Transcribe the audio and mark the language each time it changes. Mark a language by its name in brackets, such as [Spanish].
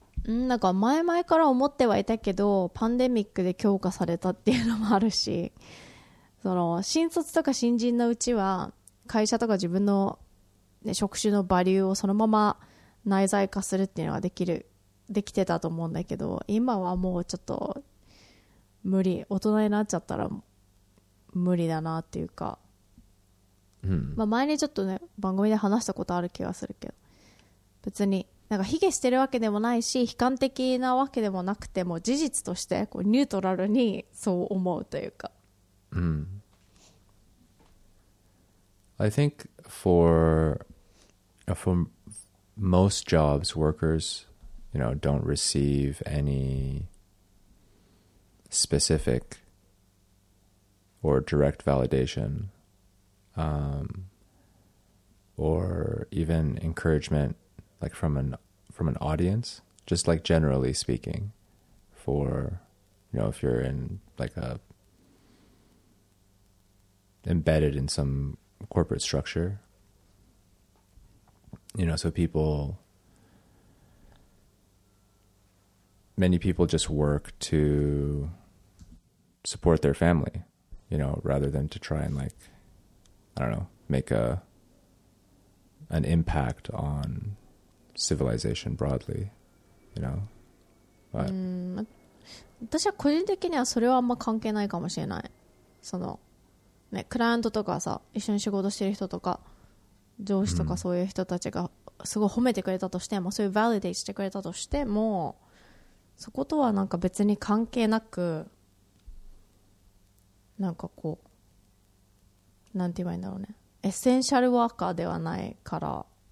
[Japanese] なんか前々から思ってはいたけど、パンデミックで強化されたっていうのもあるし、その新卒とか新人のうちは会社とか自分の、ね、職種のバリューをそのまま内在化するっていうのはできてたと思うんだけど、今はもうちょっと無理、大人になっちゃったら無理だなっていうか、まあ、前にちょっとね番組で話したことある気がするけど、別になんか卑下してるわけでもないし、悲観的なわけでもなくて、もう事実としてこうニュートラルにそう思うというか。 [English] I think for most jobs, workers, you know, don't receive any specific or direct validation. Or even encouragement, like from an audience, just like generally speaking, for, you know, if you're in like a embedded in some corporate structure, you know, so many people just work to support their family, you know, rather than to try and like. I don't know, make an impact on civilization broadly, you know? [Japanese] But, 私は個人的にはそれはあんま関係ないかもしれない。その、ね、クライアントとかさ、一緒に仕事してる人とか、上司とかそういう人たちがすごい褒めてくれたとしても、そういうバリデイしてくれたとしても、そことはなんか別に関係なく、なんかこう、なんて言えばいいんだろうね、エッセンシャルワーカーではないから。